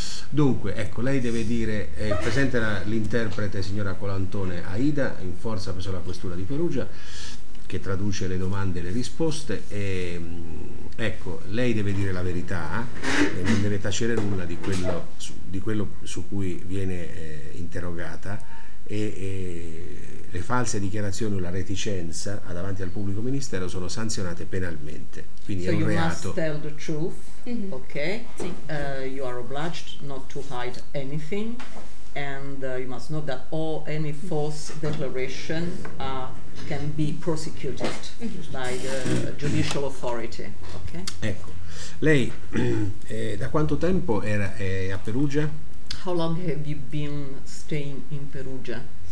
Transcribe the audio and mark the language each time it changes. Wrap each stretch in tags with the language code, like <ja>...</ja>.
<it>Dunque, ecco, lei deve dire, presente l'interprete signora Colantone Aida, in forza presso la questura di Perugia, che traduce le domande e le risposte, e ecco, lei deve dire la verità, e non deve tacere nulla di quello su cui viene interrogata, e le false dichiarazioni o la reticenza davanti al pubblico ministero sono sanzionate penalmente, quindi</it> <en>so So you must tell the truth, mm-hmm. Okay?</en> <it>Sì.</it> <en>You are obliged not to hide anything, and you must know that all any false declaration can be prosecuted by the judicial authority. Okay?</en> <it>Ecco, lei da quanto tempo è a Perugia?</it> <en>How long have you been staying in Perugia?</en>